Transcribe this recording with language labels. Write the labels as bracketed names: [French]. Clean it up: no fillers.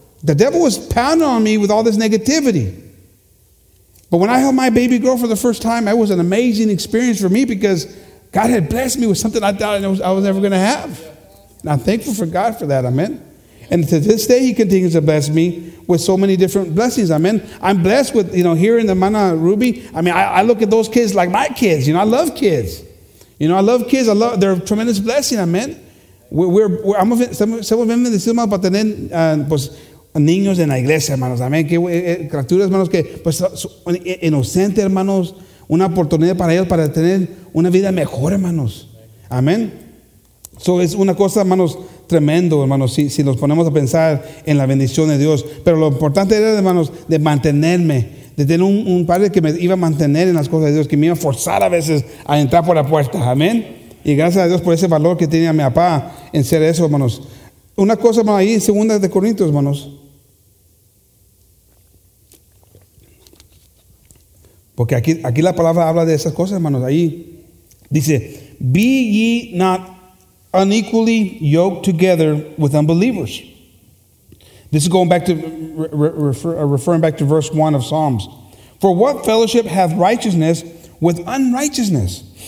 [English] The devil was pounding on me with all this negativity. But when I held my baby girl for the first time, it was an amazing experience for me because God had blessed me with something I thought I was never going to have. And I'm thankful for God for that, amen? And to this day, he continues to bless me with so many different blessings. Amen. I'm blessed with, you know, here in the Mana Ruby. I mean, I look at those kids like my kids. You know, I love kids. You know, I love kids. They're a tremendous blessing. Amen. Some of them [Spanish] decimos para tener pues niños en la iglesia, hermanos. Amen. Que criaturas, hermanos, que pues inocente, hermanos, una oportunidad para ellos para tener una vida mejor, hermanos. Amen. So es una cosa, hermanos. Tremendo, hermanos, si nos ponemos a pensar en la bendición de Dios. Pero lo importante era, hermanos, de mantenerme, de tener un padre que me iba a mantener en las cosas de Dios, que me iba a forzar a veces a entrar por la puerta. Amén. Y gracias a Dios por ese valor que tenía mi papá en ser eso, hermanos. Una cosa, hermanos, ahí en 2 de Corintios, hermanos. Porque aquí la palabra habla de esas cosas, hermanos. Ahí dice, [English] be ye not unequally yoked together with unbelievers. This is going back to referring back to verse 1 of Psalms. For what fellowship hath righteousness with unrighteousness?